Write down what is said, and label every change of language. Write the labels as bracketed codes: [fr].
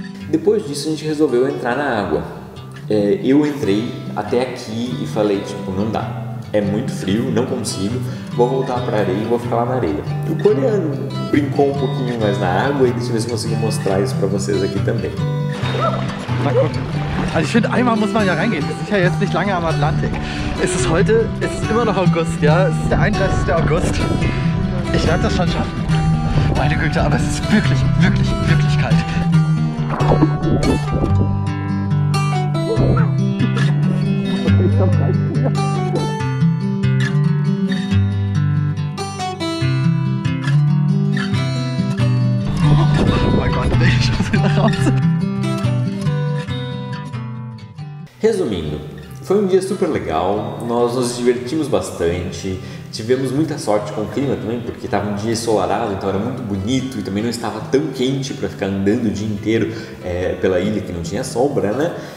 [pt] Depois disso a gente resolveu entrar na água. eu entrei até aqui e falei, tipo, não dá. É muito frio, não consigo. Vou voltar pra areia e vou ficar lá na areia. O coreano brincou um pouquinho mais na água e deixa eu ver se eu consigo mostrar isso pra vocês aqui também. [de] Mal gucken. Also ich finde, einmal muss man ja reingehen. Wir sind ja jetzt nicht lange am Atlantik. Es ist heute, es ist immer noch August, ja? Es ist der 31. August. Ich werde das schon schaffen. Meine Güte, aber es ist wirklich, wirklich, wirklich kalt. Oh mein Gott, ich muss wieder raus. [pt] Resumindo, foi um dia super legal, nós nos divertimos bastante, tivemos muita sorte com o clima também, porque estava um dia ensolarado, então era muito bonito e também não estava tão quente para ficar andando o dia inteiro pela ilha que não tinha sombra, né?